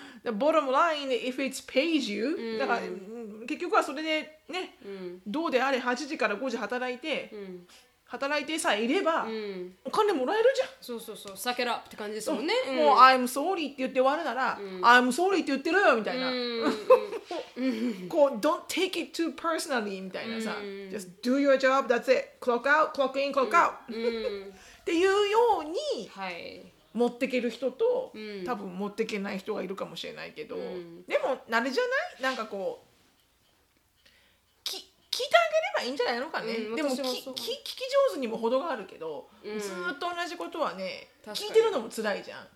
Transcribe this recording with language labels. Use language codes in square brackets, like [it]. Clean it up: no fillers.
[en] The bottom line if it pays you、 [ja] うん、だから結局はそれでね、うん、どうであれ8時から5時働いて、うん、働いてさえいれば、うん、お金もらえるじゃん。そうそうそう、サケラって感じですもんね。もう、うん、 [en] I'm sorry [ja] って言って終わるなら、うん、 [en] I'm sorry [ja] って言ってるよみたいな、うんうん、とこう [en] Don't take it too personally [ja] みたいなさ、うん、 [en] Just do your job, that's it. Clock out, clock in, clock out、 [ja] うんうん、っていうように、はい、持ってける人と多分持ってけない人がいるかもしれないけど、うん、でも慣れじゃない？なんかこう聞いてあげればいいんじゃないのかね、うん、でも聞き上手にも程があるけど、うん、ずっと同じことはね聞いてるのも辛いじゃん、